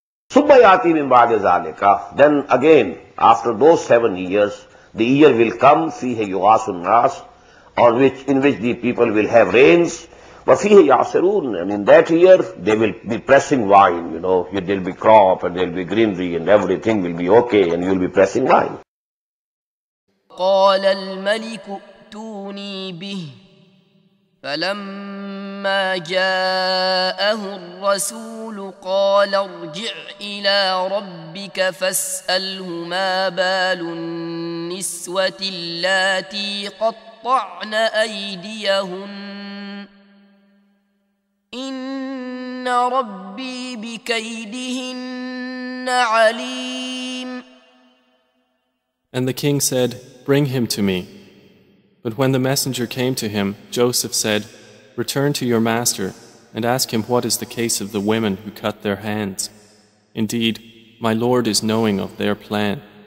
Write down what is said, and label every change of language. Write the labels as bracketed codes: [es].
[en] Then again, after those 7 years, the year will come, [ar] فِيهَ يُغَاسُ النَّاسِ, [en] in which the people will have rains, [ar] وَفِيهَ يَعْسِرُونَ, [en] and in that year, they will be pressing wine, you know, there will be crop and there will be greenery and everything will be okay and you will be pressing wine. [ar] قَالَ الْمَلِكُ أتوني به فلما جاءه الرسول قال ارجع إلى ربك فاسأله ما بال النسوة اللاتي قطعن أيديهن إن ربي بكيدهن عليم. [en] And the king said, bring him to me. But when the messenger came to him, Joseph said, return to your master and ask him what is the case of the women who cut their hands. Indeed, my lord is knowing of their plan.